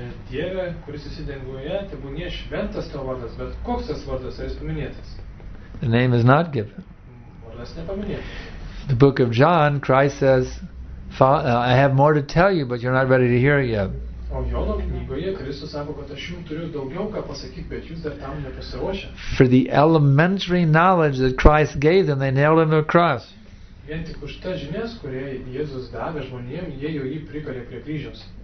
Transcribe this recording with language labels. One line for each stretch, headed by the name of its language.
Lithuanian: Dieve, kuris esi danguje, tebūnie šventas tavo vardas, bet koks tas vardas, ar jis paminėtas?
English: The name is not given.
Lithuanian: Vardas nepaminėtas.
English: The book of John, Christ says, I have more to tell you, but you're not ready to hear yet.
Lithuanian: O Jono knygoje Kristus sako, kad aš jums turiu daugiau ką pasakyti, bet jūs dar tam nepasiruošę.
English: For the elementary knowledge that Christ gave them, they nailed him to the cross.
Lithuanian: Vien tik už tas žinias, kurie Jėzus davė žmonėm, jie jau jį prikalė prie kryžiaus.